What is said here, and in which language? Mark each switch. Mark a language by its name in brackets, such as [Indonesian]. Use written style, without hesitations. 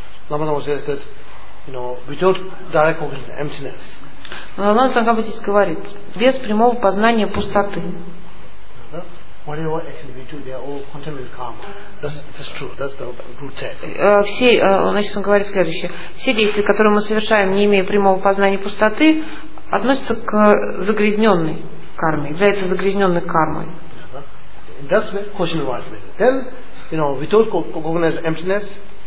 [English] Lama Tsongkhapa says that, you know, without direct cognition, emptiness. [Russian] Лама Цанкапа здесь говорит, без прямого познания пустоты. [English] Whatever action we do, they are all contaminated karma. That's true. That's the root text. [Russian] Все, значит, он говорит следующее. Все действия, которые мы совершаем, не имея прямого познания пустоты, относятся к загрязненной карме, является загрязненной кармой. [English] That's the question was made. Then, you know, we talk about cognizant emptiness.